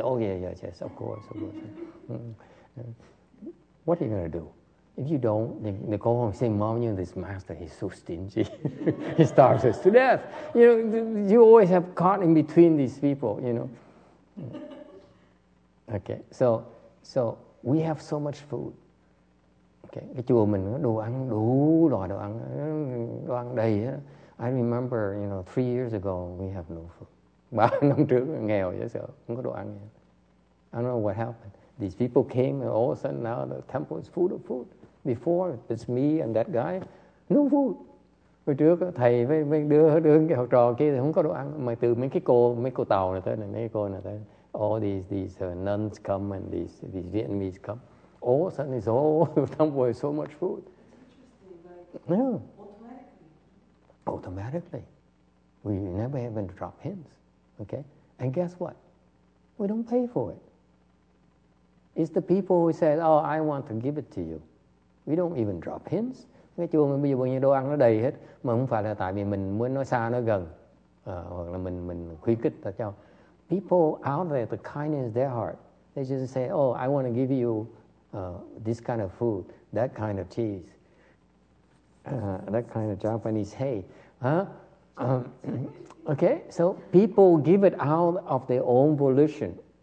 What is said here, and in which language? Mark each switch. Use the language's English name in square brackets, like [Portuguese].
[English] Oh, yeah, yeah, yes, of course, of course. What are you going to do? If you don't, they go home and say, Mom, you know, this master, he's so stingy. He starves us to death. You know, you always have caught in between these people, you know. Okay, so we have so much food. [Vietnamese] Okay, cái chùa mình đồ ăn, đủ loại đồ ăn đầy. [English] I remember, you know, 3 years ago, we have no food. [Vietnamese] 3 năm trước, nghèo dễ sợ, không có đồ ăn. [English] I don't know what happened. These people came, and all of a sudden, now the temple is full of food. Before, it's me and that guy, no food. [Vietnamese] Hồi trước, thầy với mấy đứa học trò kia thì không có đồ ăn. Mà từ mấy cô tàu này tới, mấy cô này tới. [English] All these nuns come and these Vietnamese come. All of a sudden, it's all the temple with so much food. That's interesting, like, yeah. Automatically. We never even drop hints, okay? And guess what? We don't pay for it. It's the people who say, oh, I want to give it to you. We don't even drop hints. [Vietnamese] Cái chùa mình bây giờ bao nhiêu đồ ăn nó đầy hết, mà không phải là tại vì mình muốn nó xa nó gần, hoặc là mình khuyến khích ta cho. [English] People out there, the kindness in their heart, they just say, oh, I want to give you this kind of food, that kind of cheese, that kind of Japanese hay. Okay, so people give it out of their own volition.